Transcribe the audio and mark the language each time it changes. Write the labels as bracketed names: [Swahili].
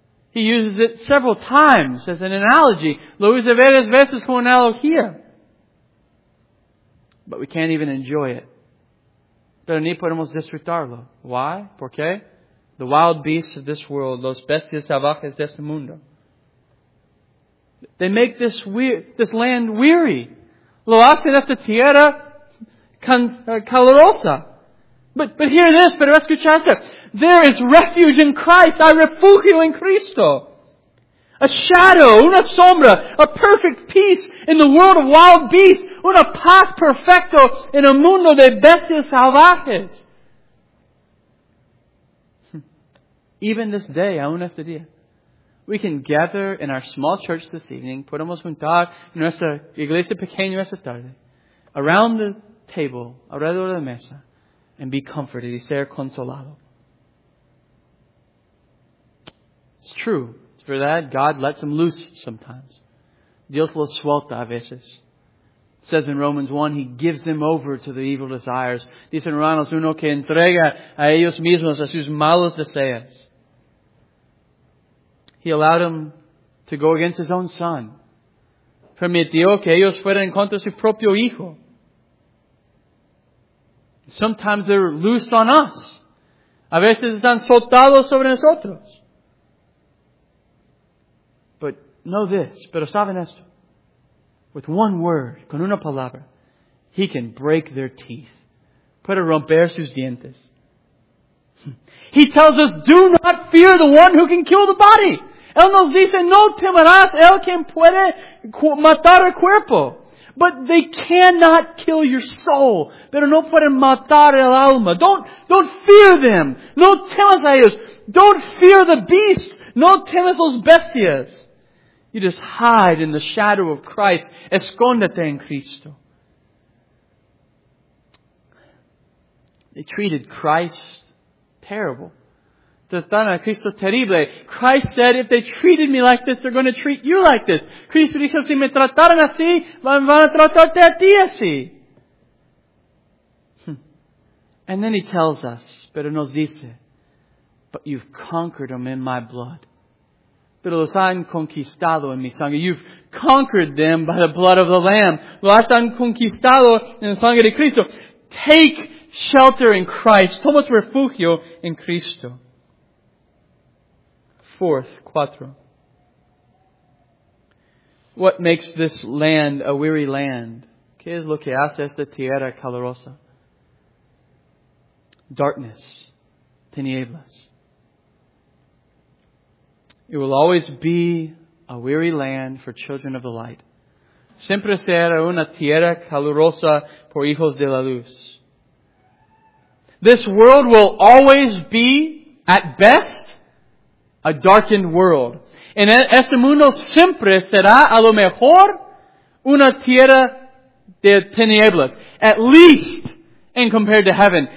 [English] He uses it several times as an analogy. [Spanish] Lo usa varias veces como analogía. [English] But we can't even enjoy it. [Spanish] Pero ni podemos disfrutarlo. [English] Why? [Spanish] ¿Por qué? [English] The wild beasts of this world, [Spanish] los bestias salvajes de este mundo. [English] They make this land weary. [Spanish] Lo hacen esta tierra calurosa. [English] But hear this, [Spanish] pero escucha esto. [English] There is refuge in Christ, [Spanish] a refugio en Cristo. [English] A shadow, [Spanish] una sombra, [English] a perfect peace in the world of wild beasts, [Spanish] una paz perfecto en el mundo de bestias salvajes. [English] Even this day, [Spanish] aún este día, [English] we can gather in our small church this evening, [Spanish] podemos juntar en nuestra iglesia pequeña esta tarde, [English] around the table, [Spanish] alrededor de la mesa, [English] and be comforted [Spanish] y ser consolado. [English] It's true. It's [Spanish] verdad. [English] God lets them loose sometimes. [Spanish] Dios los suelta a veces. [English] It says in Romans 1, He gives them over to the evil desires. [Spanish] Dice en Romanos 1 que entrega a ellos mismos a sus malos deseos. [English] He allowed them to go against His own Son. [Spanish] Permitió que ellos fueran en contra de su propio Hijo. [English] Sometimes they're loosed on us. [Spanish] A veces están soltados sobre nosotros. [English] Know this, [Spanish] pero saben esto. [English] With one word, [Spanish] con una palabra, [English] He can break their teeth. [Spanish] Puede romper sus dientes. [English] He tells us, do not fear the one who can kill the body. [Spanish] Él nos dice, no temerás el quien puede matar el cuerpo. [English] But they cannot kill your soul. [Spanish] Pero no pueden matar el alma. [English] Don't fear them. [Spanish] No temas a ellos. [English] Don't fear the beast. [Spanish] No temas los bestias. [English] You just hide in the shadow of Christ. [Spanish] Escóndete en Cristo. [English] They treated Christ terrible. [Spanish] Trataron a Cristo terrible. [English] Christ said, if they treated me like this, they're going to treat you like this. [Spanish] Cristo dijo, si me trataron así, van a tratarte a ti así. [English] And then He tells us, [Spanish] pero nos dice, [English] but you've conquered them in my blood. [Spanish] Pero los han conquistado en mi sangre. [English] You've conquered them by the blood of the Lamb. [Spanish] Los han conquistado en la sangre de Cristo. [English] Take shelter in Christ. [Spanish] Toma refugio en Cristo. [English] Fourth, [Spanish] cuatro. [English] What makes this land a weary land? [Spanish] ¿Qué es lo que hace esta tierra calurosa? [English] Darkness. [Spanish] Tinieblas. [English] It will always be a weary land for children of the light. [Spanish] Siempre será una tierra calurosa por hijos de la luz. [English] This world will always be, at best, a darkened world. [Spanish] En este mundo siempre será a lo mejor una tierra de tinieblas. [English] At least in compared to heaven.